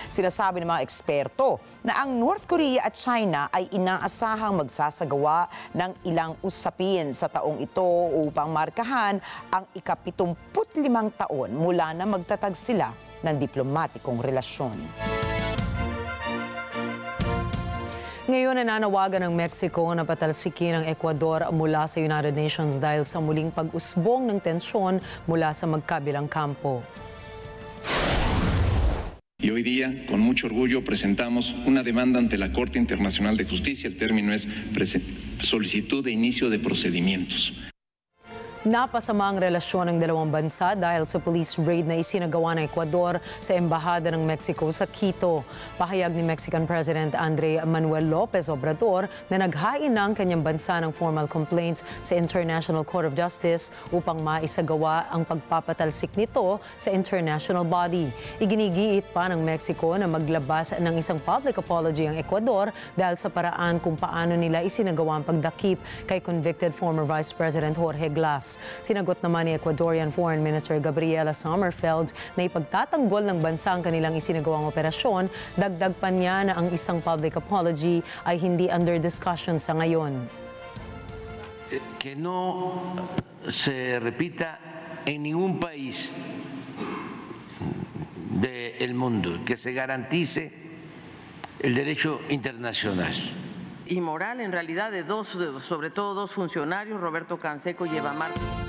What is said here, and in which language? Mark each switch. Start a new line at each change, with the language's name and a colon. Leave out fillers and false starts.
Filipino: Sinasabi ng mga eksperto na ang North Korea at China ay inaasahang magsasagawa ng ilang usapin sa taong ito upang markahan ang 75 taon mula na magtatag sila ng diplomatikong relasyon. Ngayon, nananawagan ng Mexico na patalsikin ang Ecuador mula sa United Nations dahil sa muling pag-usbong ng tensyon mula sa magkabilang kampo.
Spanish: Y hoy día, con mucho orgullo, presentamos una demanda ante la Corte Internacional de Justicia. El término es solicitud de inicio de procedimientos.
Filipino: Napasama ang relasyon ng dalawang bansa dahil sa police raid na isinagawa ng Ecuador sa Embahada ng Mexico sa Quito. Pahayag ni Mexican President Andre Manuel Lopez Obrador na naghain ng kanyang bansa ng formal complaint sa International Court of Justice upang maisagawa ang pagpapatalsik nito sa international body. Iginigiit pa ng Mexico na maglabas ng isang public apology ang Ecuador dahil sa paraan kung paano nila isinagawa ang pagdakip kay convicted former Vice President Jorge Glass. Sinagot naman ni Ecuadorian Foreign Minister Gabriela Sommerfeld na ipagtatanggol ng bansa ang kanilang isinagawang operasyon. Dagdag pa niya na ang isang public apology ay hindi under discussion sa ngayon.
Spanish: Que no se repita en ningún país del mundo, que se garantice el derecho internacional. Y moral en realidad de dos, sobre todo dos funcionarios, Roberto Canseco y Eva Martínez.